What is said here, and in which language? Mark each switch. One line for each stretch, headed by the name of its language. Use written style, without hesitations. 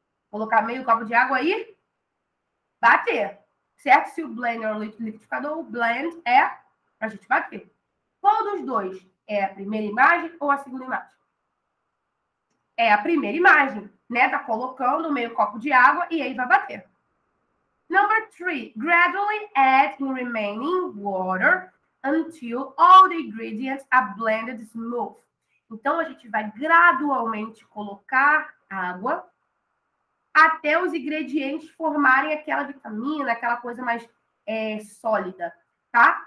Portuguese: Colocar meio copo de água aí. Bater. Certo? Se o blender é o liquidificador, o blend é pra gente bater. Qual dos dois? É a primeira imagem ou a segunda imagem? É a primeira imagem, né? Tá colocando o meio copo de água e aí vai bater.
English: Number three, gradually add the remaining water until all the ingredients are blended smooth.
Portuguese: Então, a gente vai gradualmente colocar água até os ingredientes formarem aquela vitamina, aquela coisa mais sólida, tá?